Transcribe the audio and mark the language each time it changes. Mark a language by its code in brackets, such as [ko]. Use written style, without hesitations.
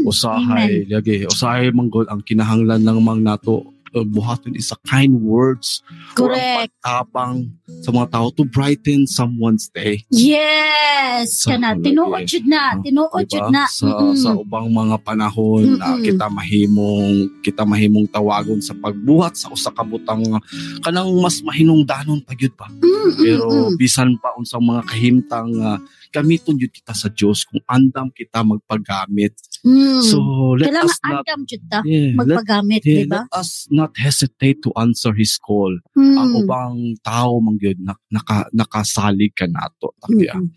[ceb] Usahay lagi, usahay manggod ang kinahanglan ng mga nato buhaton [en] is a kind words. Correct. [ceb] Pagtabang sa mga tao [en] to brighten someone's day. [ceb] Yes. So, kana tinuod jud na, tinuod jud na sa, sa ubang mga panahon na kita mahimong tawagon sa pagbuhat sa usa ka butang kanang mas mahinungdanon pa gyud pa. Pero bisan pa unsang mga kahimtang gamiton jud kita sa Dios kung andam kita magpagamit. So [en] let's not let us not hesitate to answer his call. [ceb] Ang ubang tao manggud nakasalig ka nato takya.